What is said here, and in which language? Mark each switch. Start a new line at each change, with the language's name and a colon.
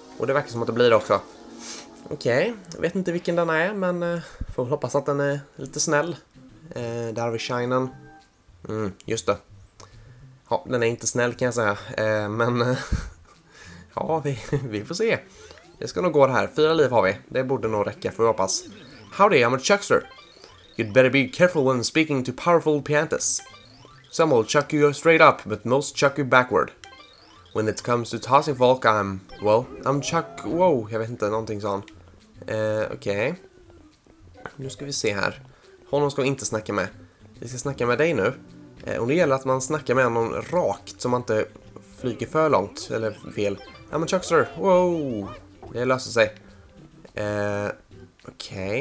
Swedish: Och det verkar som att det blir det också. Okej, okay. Jag vet inte vilken den är, men får hoppas att den är lite snäll. Där har vi shinen. Mm, just det. Ja, den är inte snäll kan jag säga. Men ja, vi får se. Det ska nog gå det här. Fyra liv har vi. Det borde nog räcka, får vi hoppas.
English: Howdy, I'm a Chuckster. You'd better be careful when speaking to powerful Piantas. Some will chuck you straight up, but most chuck you backward. When it comes to tossing folk, I'm... Well, I'm Chuck...
Swedish: Wow, jag vet inte, någonting sån. Okej. Okay. Nu ska vi se här. Honom ska vi inte snacka med. Vi ska snacka med dig nu. Och det gäller att man snackar med någon rakt, så man inte flyger för långt, eller fel.
English: I'm a Chuckster.
Swedish: Wow. Det löser sig. Okej.